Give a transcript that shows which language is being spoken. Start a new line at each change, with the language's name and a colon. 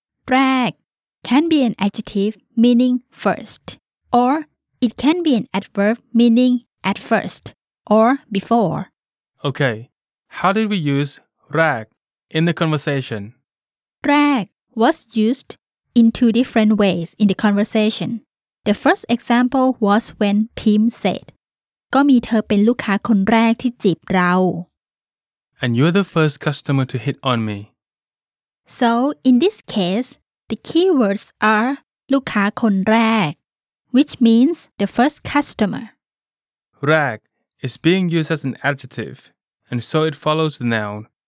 English: แรก can be an adjective meaning first, or it can be an adverb meaning at first or before. Okay. How did we use แรก in the conversation? แรก was used in two different ways in the conversation. The first example was when Pim said,
Thai: ก็มีเธอเป็นลูกค้าคนแรกที่จีบเรา
English: And you're the first customer to hit on me. So, in this case, the keywords are
Thai: ลูกค้าคนแรก
English: which means the first customer. แรก is being used as an adjective. And so it follows the noun.